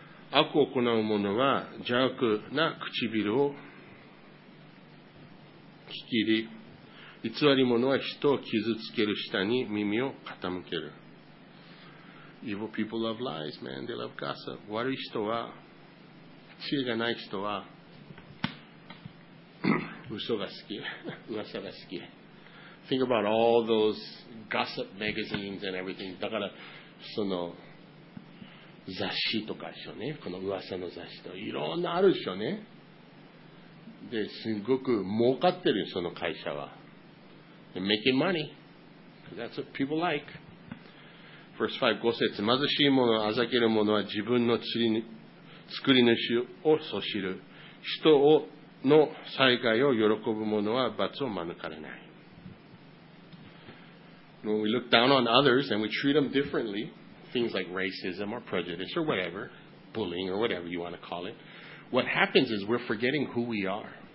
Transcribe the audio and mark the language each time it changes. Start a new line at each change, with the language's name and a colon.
Japanese: 悪を行う者は邪悪な唇を聞き入り、偽り者は人を傷つける下に耳を傾ける。
English: Evil people love lies, man. They love gossip.
Japanese: 悪い人は、知恵がない人は、嘘が好き。噂が好き。
English: Think about all those gossip magazines and everything.
Japanese: だから、その、雑誌とかでしょうね。この噂の雑誌とか。いろんなあるでしょうね。で、すごく儲かってるよ、その会社は。
English: They're making money. That's what people like. Verse 5,
Japanese: 5節。貧しい者、あざける者は自分の作り主をそ知る。人をの災害を喜ぶ者は罰を免れない。
English: When we look down on others and we treat them differently,things like racism or prejudice or whatever, bullying or whatever you want to call it, what happens is we're forgetting who we are.